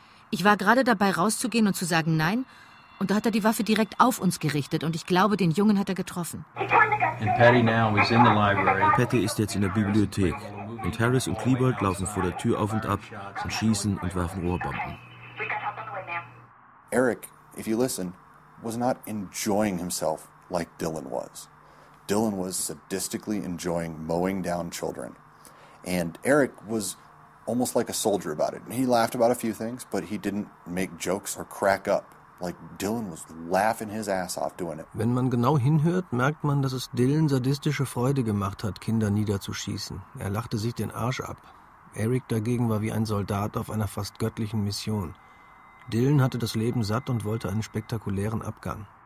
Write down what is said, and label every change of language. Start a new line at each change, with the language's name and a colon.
German: Ich war gerade dabei, rauszugehen und zu sagen nein, und da hat er die Waffe direkt auf uns gerichtet und ich glaube, den Jungen hat er getroffen. Patty ist jetzt in der Bibliothek und Harris und Klebold laufen vor der Tür auf und ab und schießen und werfen Rohrbomben.
English: Eric, if you listen, was not enjoying himself like Dylan was. Dylan was sadistically enjoying mowing down children. And Eric was almost like a soldier about it. He laughed about a few things, but he didn't make jokes or crack up. Like Dylan was laughing his ass off doing it.
German: Wenn man genau hinhört, merkt man, dass es Dylan sadistische Freude gemacht hat, Kinder niederzuschießen. Er lachte sich den Arsch ab. Eric dagegen war wie ein Soldat auf einer fast göttlichen Mission. Dylan hatte das Leben satt und wollte einen spektakulären Abgang.